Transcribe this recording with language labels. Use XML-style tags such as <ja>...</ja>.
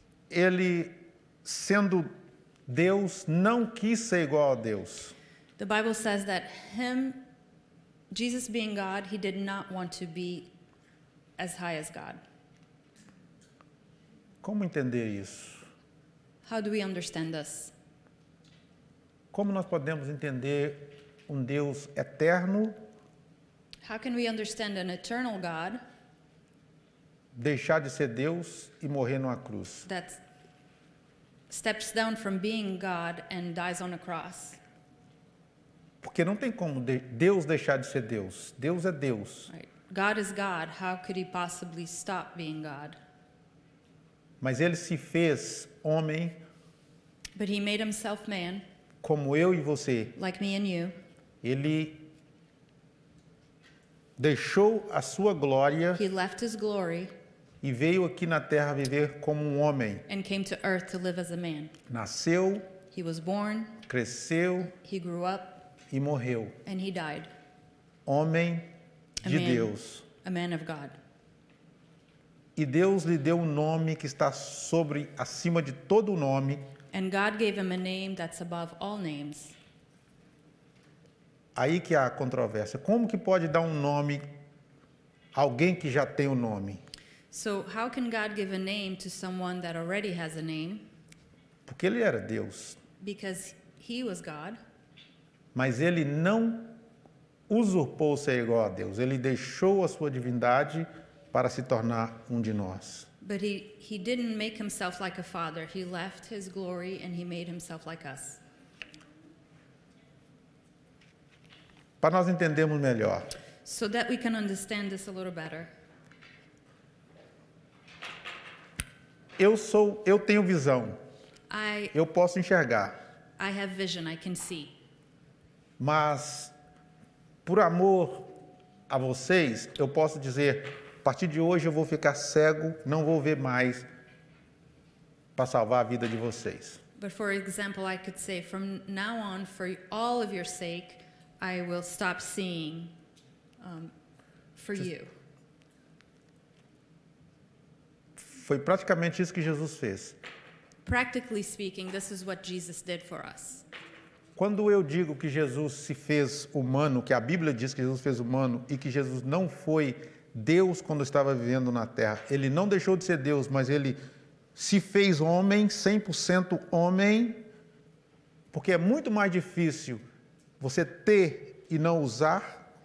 <pt>ele, sendo Deus, não quis ser igual a Deus.</pt> <en>The Bible says that him, Jesus being God, he did not want to be as high as God.</en> <pt>Como entender isso?</pt> <en>How do we understand this?</en> <pt>Como nós podemos entender um Deus eterno?</pt> <en>How can we understand an eternal God?</en> <pt>Deixar de ser Deus e morrer numa cruz.</pt> <en>That steps down from being God and dies on a cross.</en> <pt>Porque não tem como Deus deixar de ser Deus. Deus é Deus.</pt> <en>Right. God is God. How could he possibly stop being God?</en> <pt>Mas ele se fez homem.</pt> <en>But he made himself man.</en> <pt>Como eu e você.</pt> <en>Like me and you.</en> <pt>Ele deixou a sua glória.</pt> <en>He left his glory.</en> <pt>E veio aqui na terra viver como um homem.</pt> <en>And came to earth to live as a man.</en> <pt>Nasceu.</pt> <en>He was born.</en> <pt>Cresceu.</pt> <en>He grew up.</en> <pt>E morreu.</pt> <en>And he died.</en> <pt>Homem. De Deus.</pt> <en>A man of God.</en> <pt>E Deus lhe deu um nome que está sobre, acima de todo nome.</pt> <en>And God gave him a name that's above all names.</en> <pt>Aí que há a controvérsia. Como que pode dar um nome a alguém que já tem um nome?</pt> <en>So how can God give a name to someone that already has a name?</en> <pt>Porque ele era Deus.</pt> <en>Because he was God.</en> <pt>Mas ele não usurpou ser igual a Deus. Ele deixou a sua divindade para se tornar um de nós.</pt> <en>But he didn't make himself like a father. He left his glory and he made himself like us.</en> <pt>Para nós entendermos melhor.</pt> <en>So that we can understand this a little better.</en> <pt>Eu tenho visão. Eu posso enxergar.</pt> <en>I have vision, I can see.</en> <pt>Mas por amor a vocês, eu posso dizer, a partir de hoje eu vou ficar cego, não vou ver mais para salvar a vida de vocês.</pt> <en>But for example, I could say from now on for all of your sake, I will stop seeing for you.</en> <pt>Foi praticamente isso que Jesus fez.</pt> <en>Practically speaking, this is what Jesus did for us.</en> <pt>Quando eu digo que Jesus se fez humano, que a Bíblia diz que Jesus fez humano e que Jesus não foi Deus quando estava vivendo na Terra, ele não deixou de ser Deus, mas ele se fez homem, 100% homem, porque é muito mais difícil você ter e não usar.</pt>